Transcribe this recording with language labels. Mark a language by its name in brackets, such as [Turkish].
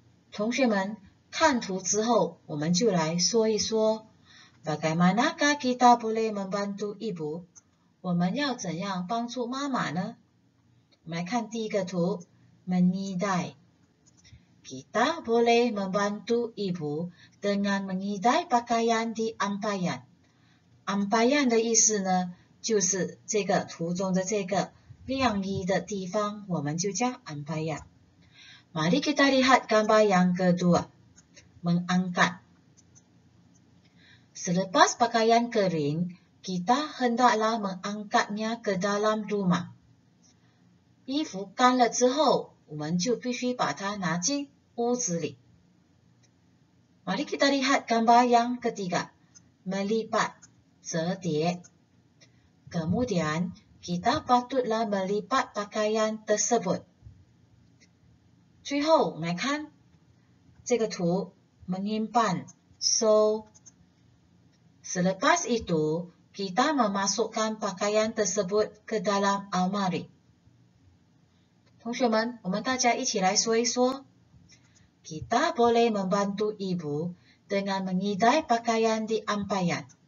[Chinese] 同学们，看图之后，我们就来说一说 ， [Malay] bagaimanakah kita boleh membantu ibu? [Chinese] 我们要怎样帮助妈妈呢？我们来看第一个图 ，mengidai。 [Malay] Kita boleh membantu ibu dengan mengidai pakaian di ampayan. [Chinese] Ampayan 的意思呢，就是这个图中的这个晾衣的地方，我们就叫 ampayan. [Malay] Mari kita lihat gambar yang kedua, mengangkat. Selepas pakaian kering, kita hendaklah mengangkatnya ke dalam rumah. [Chinese] 衣服干了之后，我们就必须把它拿进屋子里。 [Malay] Mari kita lihat gambar yang ketiga, melipat, [Chinese] 折叠。 [Malay] Kemudian, kita patutlah melipat pakaian tersebut. [Chinese] 最后，我们来看这个图 ，menyimpan, 收。 [Malay] Selepas itu, kita memasukkan pakaian tersebut ke dalam almari. [Chinese] 同学们，我们大家一起来说一说。 [Malay] Kita boleh membantu ibu dengan mengidai pakaian di ampayan.